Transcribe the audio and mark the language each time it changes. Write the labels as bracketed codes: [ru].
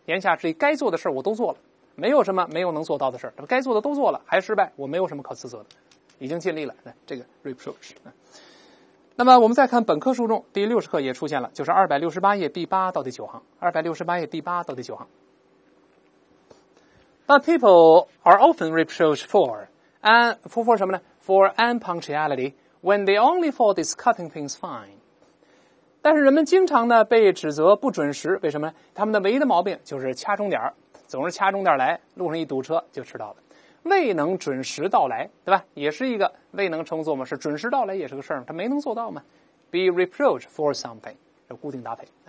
[zh] 言下之意，该做的事我都做了，没有什么没有能做到的事，该做的都做了，还失败，我没有什么可自责的，已经尽力了。这个 reproach。那么我们再看本科书中第60课也出现了，就是268页第8到第9行。 268页第8到第9行。 [en] But people are often reproached for, and for [zh] 什么呢 [en] ?For unpunctuality, when the only fault is cutting things fine. [zh] 但是人们经常呢被指责不准时，为什么呢？他们的唯一的毛病就是掐终点，总是掐终点来，路上一堵车就迟到了。未能准时到来，对吧？也是一个未能称作嘛，是准时到来也是个事儿，他没能做到嘛。 [en] Be reproached for something， [zh] 这固定搭配。